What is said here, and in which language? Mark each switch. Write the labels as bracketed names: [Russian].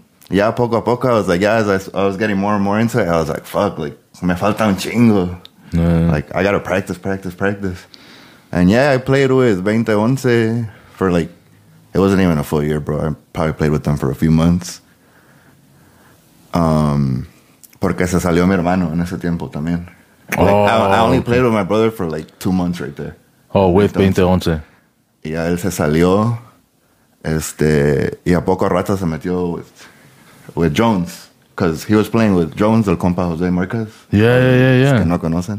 [English] Yeah, poco a poco, I was like, yeah, as I was getting more and more into it, I was like, fuck, like, [Spanish] me falta un chingo. [English] Yeah. Like, I gotta practice. And yeah, I played with 2011 for, like, it wasn't even a full year, bro. I probably played with them for a few months. [Spanish] Porque se salió mi hermano en ese tiempo también. [English] I only played with my brother for, like, 2 months right there. Oh, with 2011. [Spanish] Y a él se salió, y a poco rato se metió [English] with Jones, because he was playing with Jones, [Spanish] el compa Jose Marquez. [English] Yeah. [Spanish] Que no conocen.